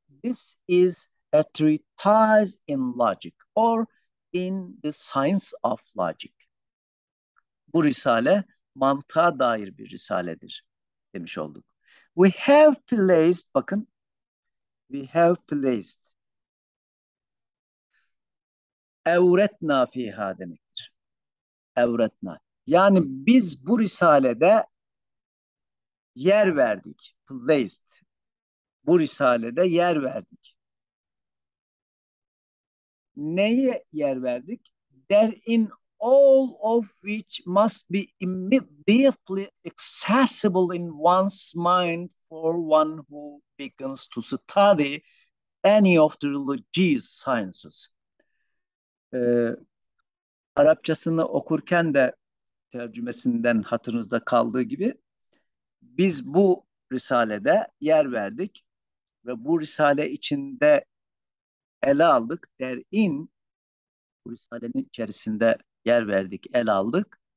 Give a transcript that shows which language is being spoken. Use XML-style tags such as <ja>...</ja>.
<en>This is a treatise in logic or in the science of logic.</en> <tr>Bu risale mantığa dair bir risaledir demiş olduk.</tr> <en>We have placed,</en> <tr>bakın,</tr> <en>we have placed.</en> <tr>Evretna fiha demektir. Evretna. Yani biz bu risalede yer verdik. Placed. bu risalede yer verdik. Neye yer verdik?</tr> <en>There in all of which must be immediately accessible in one's mind for one who begins to study any of the religious sciences.</en> <tr>Arapçasını okurken de tercümesinden hatırınızda kaldığı gibi biz bu risalede yer verdik ve bu risale içinde ele aldık. Derin bu risalenin içerisinde yer verdik, ele aldık.</tr>